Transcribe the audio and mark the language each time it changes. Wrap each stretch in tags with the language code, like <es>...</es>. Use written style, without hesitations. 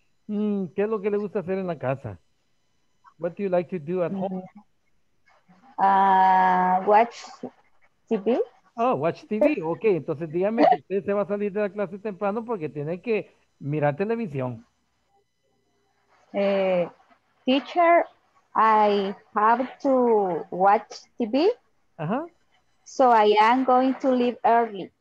<es>¿Qué es lo que le gusta hacer en la casa?</es> <en>What do you like to do at home? Watch TV. Oh, watch TV.</en> <es>Ok, entonces dígame que usted se va a salir de la clase temprano porque tiene que mirar televisión.</es> <en>Teacher, I have to watch TV. So I am going to leave early.</en>